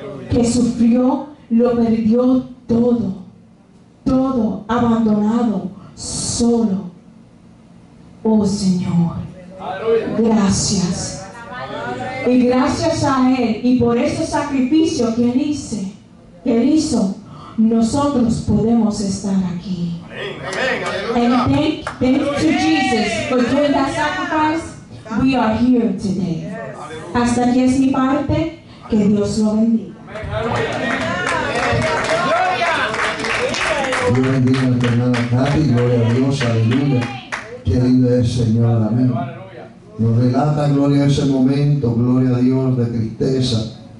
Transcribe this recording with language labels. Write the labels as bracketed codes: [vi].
[es] Que sufrió, lo perdió todo, todo abandonado, solo. Oh Señor, gracias. Y gracias a Él y por ese sacrificio que Él hizo, nosotros podemos estar aquí. [en] Amen. And thank to Jesus for doing that sacrifice, we are here today. Yes. [es] Hasta aquí es mi parte, que Dios lo bendiga. Gloria. Dios bendiga a hermana Katy, gloria a Dios, aleluya. Qué lindo es el Señor, amén. Nos relata, gloria, ese momento, gloria a Dios, de tristeza.